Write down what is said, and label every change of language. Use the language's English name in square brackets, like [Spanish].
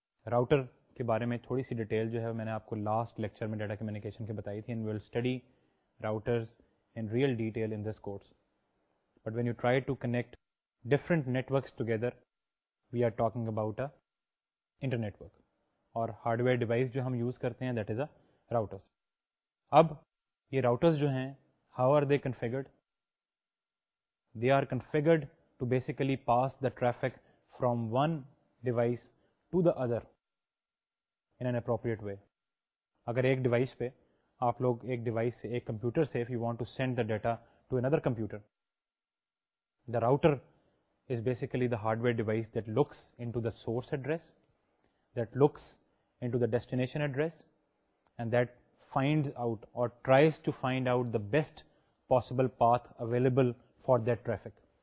[Urdu] Router کے بارے میں تھوڑی سی ڈیٹیل جو ہے میں نے آپ کو لاسٹ لیکچر میں ڈیٹا کمیونیکیشن کے بتائی تھی. [English] And we will study routers in real detail in this course. But when you try to connect different networks together we are talking about a internetwork. [Urdu] اور ہارڈ ویئر ڈیوائس جو ہم use کرتے ہیں [English] That is a routers. [Urdu] اب یہ routers جو ہیں [English] How are they configured? They are configured to basically pass the traffic from one device to the other in an appropriate way. [Urdu] اگر ایک ڈیوائس پہ آپ لوگ ایک ڈیوائس سے ایک کمپیوٹر سے [English] If you want to send the data to another computer, the router is basically the hard where device that looks in to the source address, that looks in to the destination address, and that finds out اور tries to find out the best possible path available for that traffic.